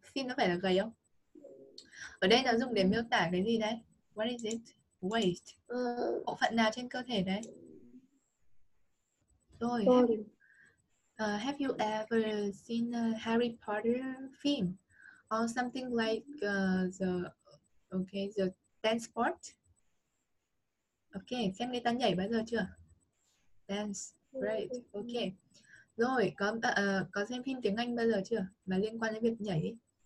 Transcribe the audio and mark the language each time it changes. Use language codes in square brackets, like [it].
[vi] Thin nó phải là gầy không? Ở đây nó dùng để miêu tả cái gì đấy? [en] What is it? [vi] Waist. Bộ phận nào trên cơ thể đấy? Rồi. [en] Have you ever seen a Harry Potter film or something like the dance part? [vi] Okay, xem người ta nhảy bao giờ chưa? [en] Dance, right? [vi] Okay. Rồi có xem phim tiếng Anh bao giờ chưa mà liên quan đến việc nhảy?